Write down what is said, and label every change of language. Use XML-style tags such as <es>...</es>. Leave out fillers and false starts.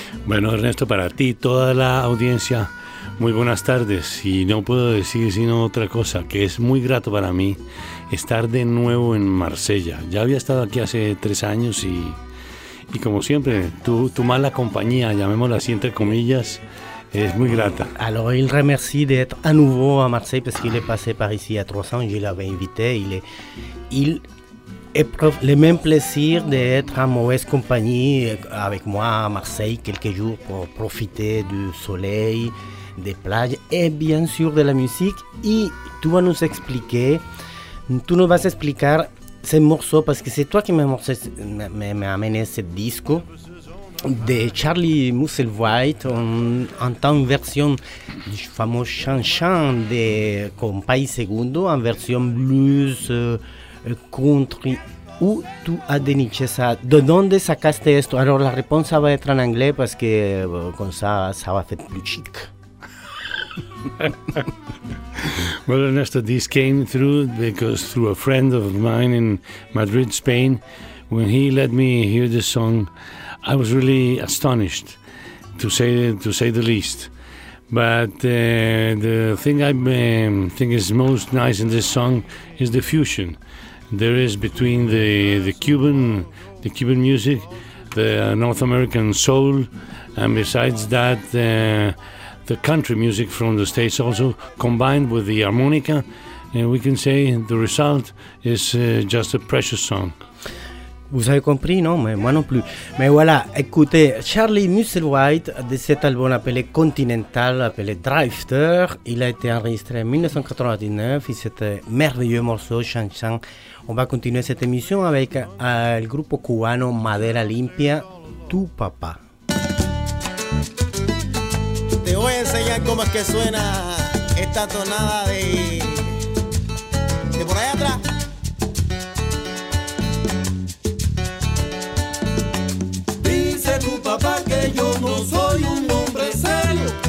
<es>Bueno, Ernesto, para ti y toda la audiencia, muy buenas tardes. Y no puedo decir sino otra cosa, que es muy grato para mí estar de nuevo en Marsella. Ya había estado aquí hace 3 años y como siempre, tu mala compañía, llamémosla así entre comillas, es muy grata.</es> <fr>Alors, il remercie d'être à nouveau à Marseille parce qu'il est passé par ici à 300, je l'avais invité. Il éprouve le même plaisir d'être en mauvaise compagnie avec moi à Marseille quelques jours pour profiter du soleil, des plages et bien sûr de la musique. Et tu vas nous expliquer, tu nous vas expliquer ces morceaux parce que c'est toi qui m'as amené ce disque de Charlie Musselwhite en tant que version du fameux chan-chan de Compay Segundo en version blues country. Où tu as déniché ça?</fr> <es>De dónde sacaste esto?</es> <fr>Alors la réponse va être en anglais parce que comme ça va être plus chic.</fr> <en>Well, Ernesto, this came through because through a friend of mine in Madrid, Spain, when he let me hear this song, I was really astonished, to say the least. But the thing I think is most nice in this song is the fusion there is between the Cuban music, the North American soul, and besides that, the country music from the States also combined with the harmonica, and we can say the result is just a precious song.</en> <fr>Vous avez compris, non? Mais moi non plus. Mais voilà, écoutez, Charlie Musselwhite, de cet album appelé Continental, appelé Drifter, il a été enregistré en 1999, et c'est un merveilleux morceau, chan-chan. On va continuer cette émission avec le groupe cubano Madera Limpia, Tu Papa.</fr> <es>Te voy a enseñar cómo es que suena esta tonada de por allá atrás. Papá, que yo no soy un hombre serio.</es>